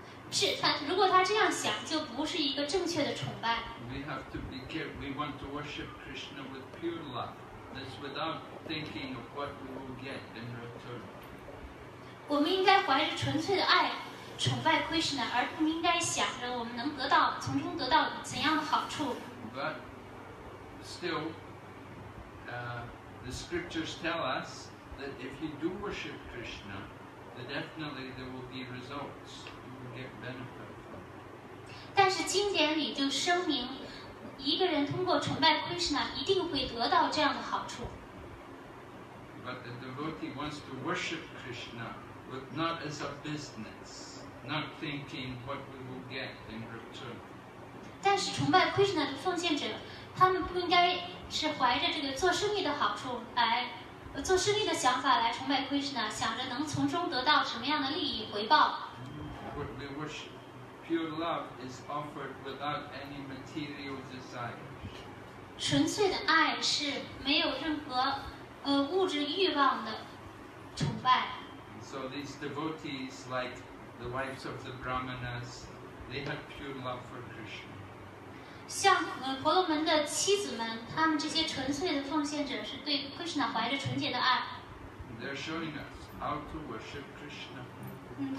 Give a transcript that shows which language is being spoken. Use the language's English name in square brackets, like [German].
[Chinese] 是他如果他这样想，就不是一个正确的崇拜。 [English] We have to be careful. We want to worship Krishna with pure love. That's without thinking of what we will get in return. [Chinese] 我们应该怀着纯粹的爱崇拜 Krishna， 而不应该想着我们能从中得到怎样的好处。 [English] But still, the scriptures tell us that if you do worship Krishna. Definitely there will be results. You will get benefit from it. [Chinese] 但是经典里就声明，一个人通过崇拜 Krishna 一定会得到这样的好处。 [English] But the devotee wants to worship Krishna, but not as a business, not thinking what we will get in return. [Chinese] 但是崇拜 Krishna 的奉献者，他们不应该是怀着这个做生意的好处来。做生意的想法来崇拜 Krishna， 想着能从中得到什么样的利益回报。 [English] We worship pure love is offered without any material desire. [Chinese] 纯粹的爱是没有任何物质欲望的崇拜。 [English] So these devotees, like the wives of the brahmanas, they had pure love for Krishna. [Chinese] 像婆罗门的妻子们，他们这些纯粹的奉献者是对 Krishna 怀着纯洁的爱。 [English] They're showing us how to worship Krishna.